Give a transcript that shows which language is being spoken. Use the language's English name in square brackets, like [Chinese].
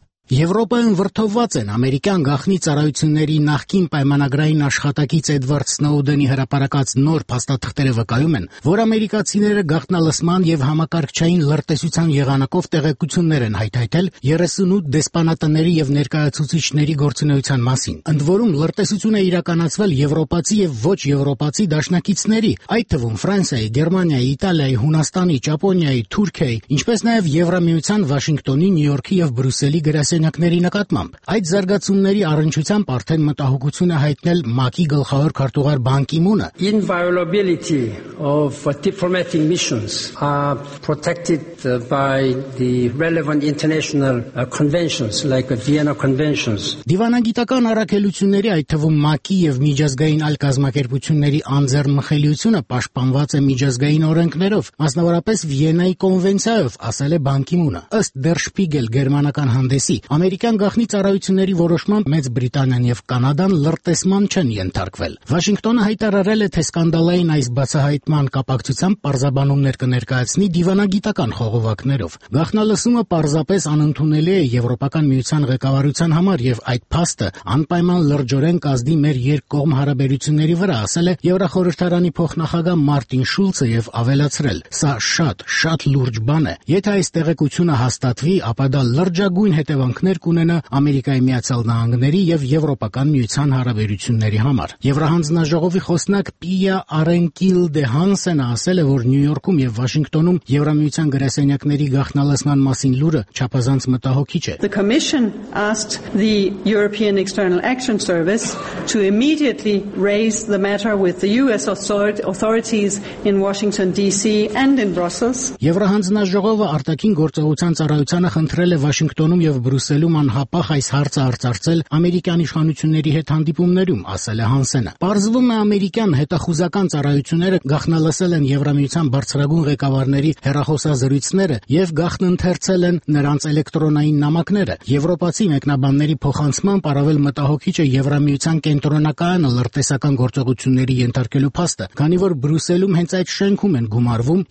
[Armenian] Եվրոպայում վրդովված են ամերիկյան գաղտնի ծառայությունների նախկին պայմանագրային աշխատակից Էդվարդ Սնոուդենի հրապարակած նոր փաստաթղթերը վկայում են, որ ամերիկացիները գաղտնալսման և համակարգչային լրտեսության եղանակով տեղեկություններ են հայթայթել 38 դեսպանատների և ներկայացուցիչների գործունեության մասին։ Ընդ որում լրտեսություն է իրականացվել եվրոպացի և ոչ եվրոպացի դաշնակիցների, այդ թվում Ֆրանսիայի, Գերմանիայի, Իտալիայի, Հունաստանի, Ճապոնիայի, Թուրքիայի, ինչպես նաև Եվրամիության Վաշինգտոնի, Նյու Յորքի և Բրյուսելի սենյակների նկատմամբ։ Այդ զարգացումների առնչությամբ արդեն մտահոգություն է հայտնել ՄԱԿ-ի գլխավոր քարտուղար Բան Կի-մունը։ [English] Inviolability of diplomatic missions are protected by the relevant international conventions like the Vienna conventions։ [Armenian] Դիվանագիտական առաքելությունների, այդ թվում ՄԱԿ-ի և միջազգային այլ կազմակերպությունների անձեռն մխելիությունը պաշտպանված է միջազգային օրենքներով, մասնավորապես Վիենայի կոնվենցիայով, ասել է Բան Կի-մունը։ Ըստ Դեր Շպիգել գերմանական Դեսի, ամերիկյան գաղտնի ծառայությունների որոշման Մեծ Բրիտանիան և Կանադան լրտեսման չեն ենթարկվել։ Վաշինգտոնը հայտարարել է, թե սկանդալային այս բացահայտման կապակցությամբ պարզաբանումներ կներկայացնի դիվանագիտական խողովակներով։ Գաղտնալսումը պարզապես անընդունելի է Եվրոպական միության ղեկավարության համար և այդ փաստը անպայման լրջորեն կազդի մեր երկկողմ հարաբերությունների վրա, ասել է Եվրախորհրդարանի փոխնախագահ Մարտին Շուլցը և ավելացրել. «Սա շատ, շատ լուրջ բան է. Եթե այս տեղեկությունը հաստատվի, ապա դա լրջագույն հետևանքներ կունենա Ամերիկայի Միացյալ Նահանգների և Եվրոպական Միության հարաբերությունների համար»։ Եվրահանձնաժողովի խոսնակ Պիա Արենկիլ դե Հանսենը ասել է, որ Նյու Յորքում և Վաշինգտոնում Եվրամիության գրասենյակների գաղտնալսման մասին լուրը չափազանց մտահոգիչ է։ [English] The Commission asked the European External Action Service to immediately raise the matter with the US authorities in Washington DC and in Brussels։ [Armenian] Եվրահանձնաժողովը արտաքին գործողության ծառայությանը խնդրել է Վաշինգտոնում և Բրյուսելում լսելու անհապաղ այս հարցը արծարծել ամերիկյան իշխանությունների հետ հանդիպումներում, ասել է Հանսենը։ Պարզվում է, ամերիկյան հետախուզական ծառայությունները գաղտնալսել են Եվրամիության բարձրագույն ղեկավարների հեռախոսազրույցները և գաղտնընթերցել են նրանց էլեկտրոնային նամակները։ Եվրոպացի մեկնաբանների փոխանցմամբ առավել մտահոգիչ է Եվրամիության կենտրոնակայանը լրտեսական գործողությունների ենթարկելու փաստը, քանի որ Բրյուսելում հենց այդ շենքում են գումարվում